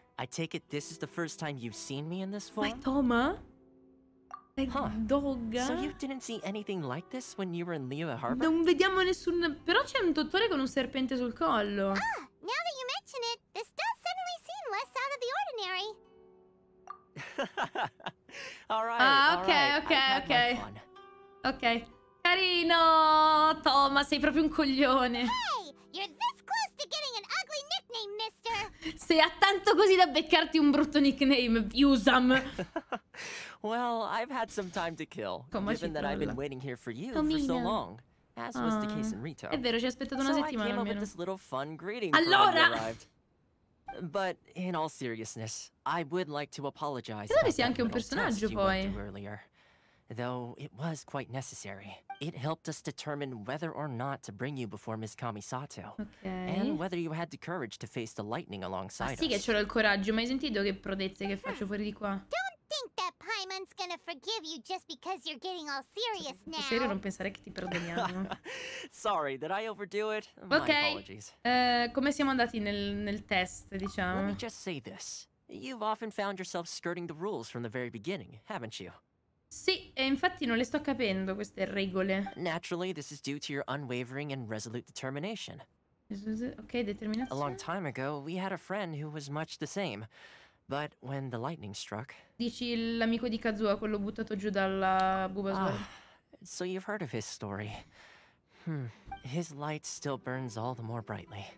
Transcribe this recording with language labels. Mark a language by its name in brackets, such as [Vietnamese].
[English] I take it this is the first time you've seen me in this form? My Toma? Huh. Dog. So you didn't see anything like this when you were in Liyue Harbor? [Italian] Non vediamo nessun... Però c'è un dottore con un serpente sul collo. [English] Ah, now that you mention it, this does suddenly seem less out of the ordinary. All right, ah, okay, all right. [Italian] Okay. Ok, carino! Toma, sei proprio un coglione! [English] Hey, you're this close to getting an ugly nickname, mister! [Italian] Sei a tanto così da beccarti un brutto nickname, Yusam! [English] Well, I've had some time to kill, Toma, given that I've been waiting here for you for so long. As was the case in Rito. [Italian] È vero, ci ha aspettato una settimana [English] So I came up with this little fun greeting for when you arrived. But in all seriousness, I would like to apologize about that little test you went through earlier. Though it was quite necessary. It helped us determine whether or not to bring you before Miss Kamisato. Okay. And whether you had the courage to face the lightning alongside [Italian] us. Ah, sì, che c'ero il coraggio, ma hai sentito che prodezze che faccio fuori di qua? [English] Don't think that Paimon's gonna forgive you just because you're getting all serious now. [Italian] Serio, non pensare che ti perdoniamo. [English] Sorry, did I overdo it? My apologies. [Italian] Come siamo andati nel test, diciamo? [English] Let me just say this. You've often found yourself skirting the rules from the very beginning, haven't you? [Italian] Sì, e infatti non le sto capendo queste regole. [English] Naturally, this is due to your unwavering and resolute determination. [Italian] Ok, determinazione. [English] A long time ago, we had a friend who was much the same. But when the lightning struck... [Italian] Dici l'amico di Kazuo, quello buttato giù dalla Bulbasaur. [English] Ah, so you've heard of his story. Hmm, his light still burns all the more brightly.